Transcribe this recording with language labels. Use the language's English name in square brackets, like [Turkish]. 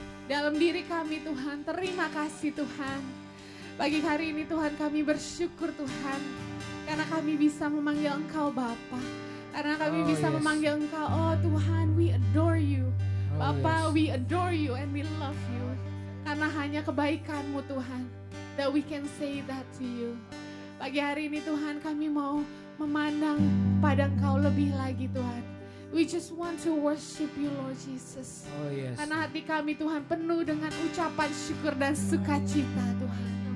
[Indonesian] Dalam diri kami, Tuhan, terima kasih, Tuhan. Pagi hari ini, Tuhan, kami bersyukur, Tuhan. Karena kami bisa memanggil Engkau, Bapa. Karena kami bisa memanggil Engkau, oh Tuhan, [English] we adore you. Bapa, we adore you and we love you. [Indonesian] Karena hanya kebaikan-Mu, Tuhan, [English] that we can say that to you. [Indonesian] Pagi hari ini, Tuhan, kami mau memandang pada Engkau lebih lagi, Tuhan. [English] We just want to worship you, Lord Jesus. Oh, yes. [Indonesian] Karena hati kami, Tuhan, penuh dengan ucapan syukur dan sukacita, Tuhan.